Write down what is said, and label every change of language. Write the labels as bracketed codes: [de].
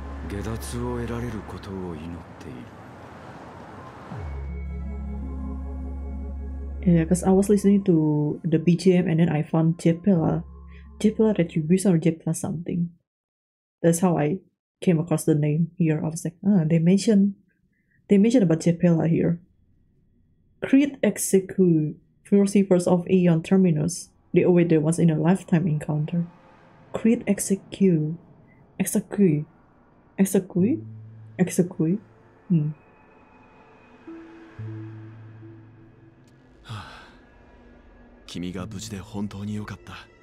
[ja] 解脱を得られることを祈っている。 [en] Yeah, because I was listening to the BGM and then I found Jepela. Jepela Retribution or Jepela something. That's how I came across the name here. I was like, ah, they mentioned about Jepela here. Creed execute Philosophers of Aeon Terminus. They await the once in a lifetime encounter. Creed execute. [ja] 君が無事で本当に良かった。